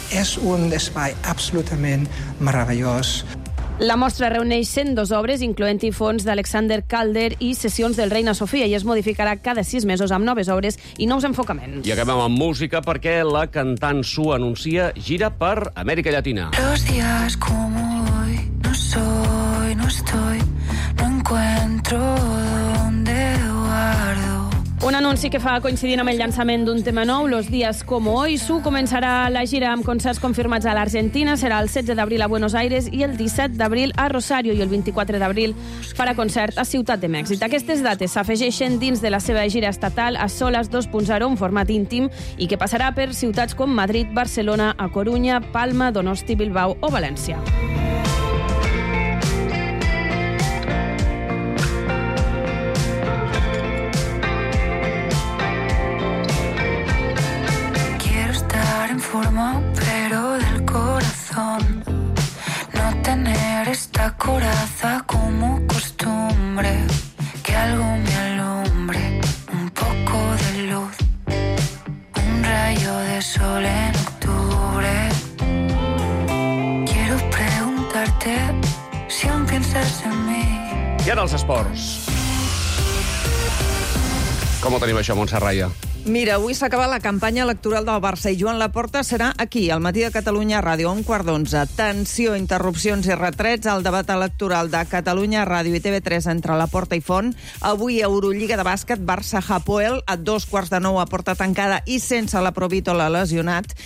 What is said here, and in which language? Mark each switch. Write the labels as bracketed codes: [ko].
[ca] És un espai absolutament meravellós. La mostra reuneix 102 obres, incloent-hi fons d'Alexander Calder i sessions del Reina Sofia, i es modificarà cada 6 mesos amb noves obres i nous enfocaments. I acabem amb música, perquè la cantant Su anuncia gira per Amèrica Llatina. [es] Los días como hoy, no soy, no estoy, no encuentro donde guardo. [ca] Un anunci que fa coincidint amb el llançament d'un tema nou, Los días como hoy. Su començarà la gira amb concerts confirmats a l'Argentina. Serà el 16 d'abril a Buenos Aires i el 17 d'abril a Rosario, i el 24 d'abril farà concert a Ciutat de Mèxic. Aquestes dates s'afegeixen dins de la seva gira estatal a Soles 2.0, un format íntim, i que passarà per ciutats com Madrid, Barcelona, A Coruña, Palma, Donosti, Bilbao o València. [es] Pero del corazón no tener esta coraza como costumbre, que algo me alumbre, un poco de luz, un rayo de sol en octubre. Quiero preguntarte si aún piensas en mí. [ca] I ara els esports. Com ho tenim això, Montserrat? Mira, avui s'acaba la campanya electoral del Barça i Joan Laporta serà aquí, al matí de Catalunya Ràdio, a 11:15. Tensió, interrupcions i retrets al debat electoral de Catalunya Ràdio i TV3 entre Laporta i Font. Avui, Eurolliga de bàsquet, Barça-Hapoel, a 9:15 a porta tancada i sense la Provítola lesionat.